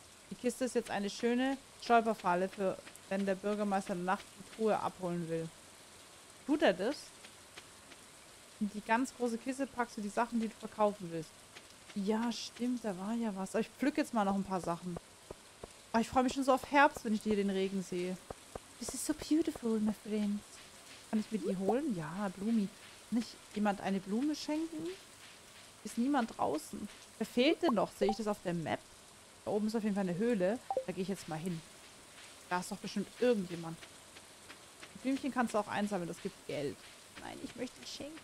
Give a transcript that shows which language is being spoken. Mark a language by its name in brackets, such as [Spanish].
[German] Die Kiste ist jetzt eine schöne Stolperfalle, für wenn der Bürgermeister nachts die Truhe abholen will. Tut er das? In die ganz große Kiste packst du die Sachen, die du verkaufen willst. Ja, stimmt. Da war ja was. Ich pflück jetzt mal noch ein paar Sachen. Oh, ich freue mich schon so auf Herbst, wenn ich hier den Regen sehe. [English] This is so beautiful, my friend. [German] Kann ich mir die holen? Ja, Blumi. Kann ich jemand eine Blume schenken? Ist niemand draußen. Wer fehlt denn noch? Sehe ich das auf der Map? Da oben ist auf jeden Fall eine Höhle. Da gehe ich jetzt mal hin. Da ist doch bestimmt irgendjemand. Die Blümchen kannst du auch einsammeln. Das gibt Geld. Nein, ich möchte schenken.